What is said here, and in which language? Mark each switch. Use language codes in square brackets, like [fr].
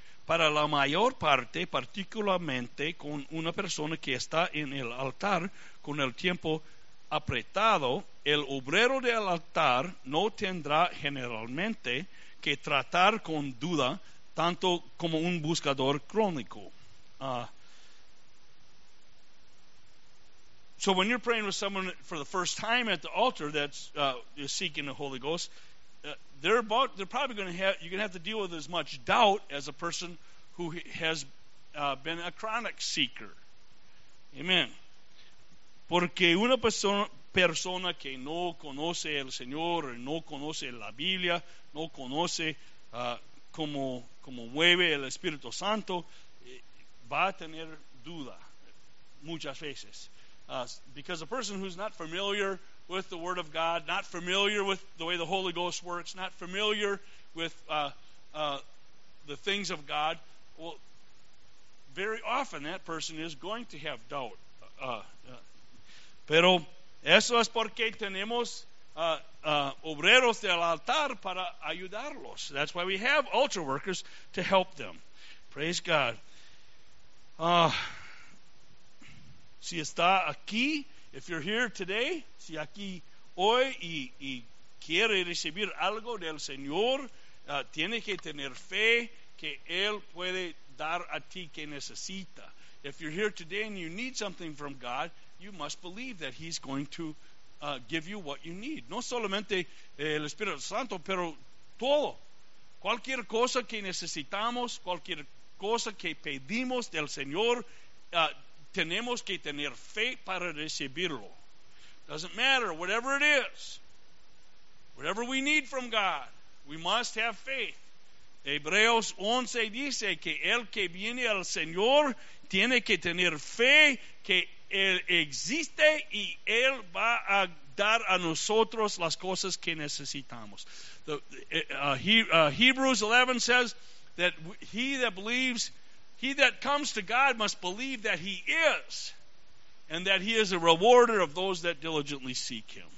[es] Para la mayor parte, particularmente con una persona que está en el altar con el tiempo apretado, el obrero del altar no tendrá generalmente que tratar con duda tanto como un buscador crónico. [en] So when you're praying with someone for the first time at the altar that's you're seeking the Holy Ghost, you're going to have to deal with as much doubt as a person who has been a chronic seeker. Amen. [es] Porque una persona que no conoce el Señor, no conoce la Biblia, no conoce cómo mueve el Espíritu Santo, va a tener duda muchas veces. [en] Because a person who's not familiar with the Word of God, not familiar with the way the Holy Ghost works, not familiar with the things of God, well, very often that person is going to have doubt. [es] Pero eso es porque tenemos obreros del altar para ayudarlos. [en] That's why we have altar workers to help them. Praise God. [es] Si está aquí, [en] if you're here today, [es] si aquí hoy y quiere recibir algo del Señor, tiene que tener fe que Él puede dar a ti que necesita. [en] If you're here today and you need something from God, you must believe that He's going to give you what you need. [es] No solamente el Espíritu Santo, pero todo. Cualquier cosa que necesitamos, cualquier cosa que pedimos del Señor, tenemos que tener fe para recibirlo. [en] Doesn't matter, whatever it is, whatever we need from God, we must have faith. [es] Hebreos 11 dice que el que viene al Señor tiene que tener fe que Él existe y Él va a dar a nosotros las cosas que necesitamos. [en] Hebrews 11 says that he that comes to God must believe that He is, and that He is a rewarder of those that diligently seek Him.